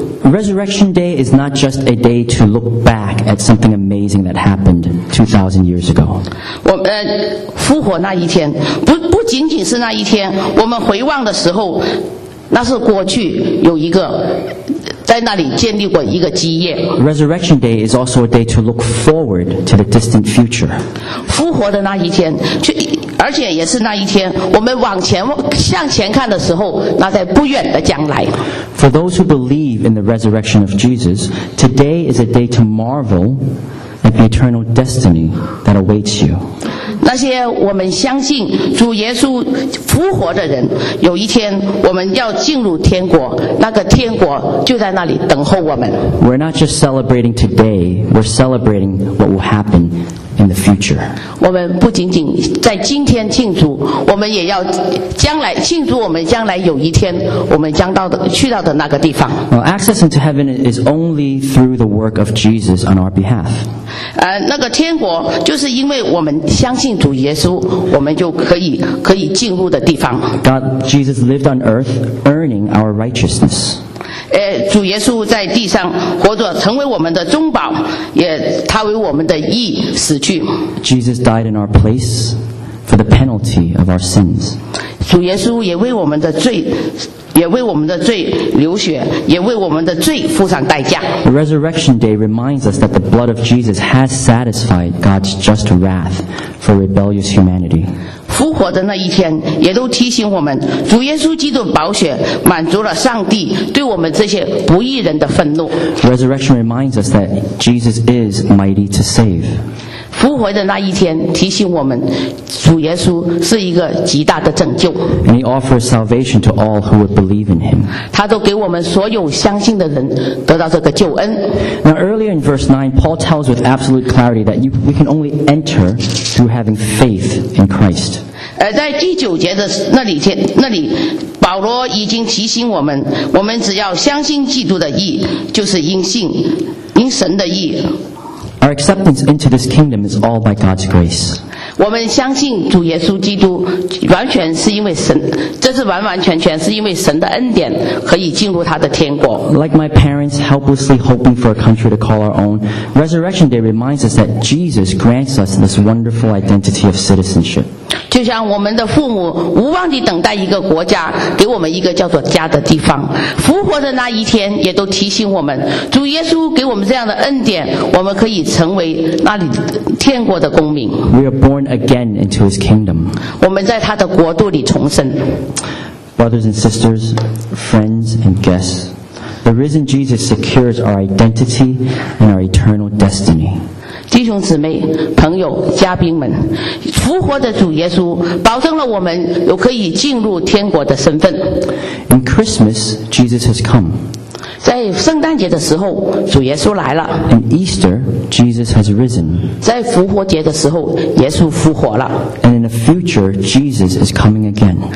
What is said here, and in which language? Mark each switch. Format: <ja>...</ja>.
<en>Resurrection Day is not just a day to look back at something amazing that happened 2,000 years ago.</en> <zh>复活那一天，不仅仅是那一天，我们回望的时候，那是过去有一个在那里建立过一个基业。</zh> <en>Resurrection Day is also a day to look forward to the distant future.</en> <zh>复活的那一天，而且也是那一天，我们向前看的时候，那在不远的将来。</zh> <en>For those who believe in the resurrection of Jesus, today is a day to marvel at the eternal destiny that awaits you.</en> <zh>那些我们相信主耶稣复活的人，有一天我们要进入天国，那个天国就在那里等候我们。</zh> <en>We're not just celebrating today, we're celebrating what will happen in the future.</en> <zh>我们不仅仅在今天庆祝，我们也要将来庆祝我们将来有一天我们将到的去到的那个地方。</zh> <en>Well, access into heaven is only through the work of Jesus on our behalf.</en> <zh>那个天国就是因为我们相信主耶稣，我们就可以进入的地方。</zh> <en>God, Jesus lived on earth, earning our righteousness.</en> <zh>主耶稣在地上活着，成为我们的中保，也他为我们的义死去。</zh> <en>Jesus died in our place. for the penalty of our sins.</en> <zh>主耶稣也为我们的罪，也为我们的罪流血，也为我们的罪付上代价。</zh> <en>The resurrection day reminds us that the blood of Jesus has satisfied God's just wrath for rebellious humanity.</en> <zh>复活的那一天也都提醒我们，主耶稣基督的宝血满足了上帝对我们这些不义人的愤怒。</zh> <en>Resurrection reminds us that Jesus is mighty to save.</en> <zh>复活的那一天提醒我们，主耶稣是一个极大的拯救。</zh> <en>And he offers salvation to all who would believe in him.</en> <zh>他都给我们所有相信的人得到这个救恩。</zh> <en>Now earlier in verse 9, Paul tells with absolute clarity that we can only enter through having faith in Christ.</en> <zh>在第九节的那里保罗已经提醒我们，我们只要相信基督的义，就是因信，因神的义。</zh> <en>Our acceptance into this kingdom is all by God's grace.</en> <zh>我们相信主耶稣基督完全是因为神，这是完完全全是因为神的恩典可以进入他的天国。</zh> <en>Like my parents helplessly hoping for a country to call our own, Resurrection Day reminds us that Jesus grants us this wonderful identity of citizenship.</en> <zh>就像我们的父母无望地等待一个国家给我们一个叫做家的地方，复活的那一天也都提醒我们，主耶稣给我们这样的恩典，我们可以成为那里天国的公民。</zh> <en>We are born again into his kingdom.</en> <zh>我们在他的国度里重生。</zh> <en>Brothers and sisters, friends and guests, the risen Jesus secures our identity and our eternal destiny.</en> <zh>弟兄姊妹朋友嘉宾们，复活的主耶稣保证了我们有可以进入天国的身份。</zh> <en>In Christmas, Jesus has come.</en> <zh>在圣诞节的时候主耶稣来了。</zh> <en>In Easter, Jesus has risen.</en> <zh>在复活节的时候耶稣复活了。</zh> <en>And in the future, Jesus is coming again.</en>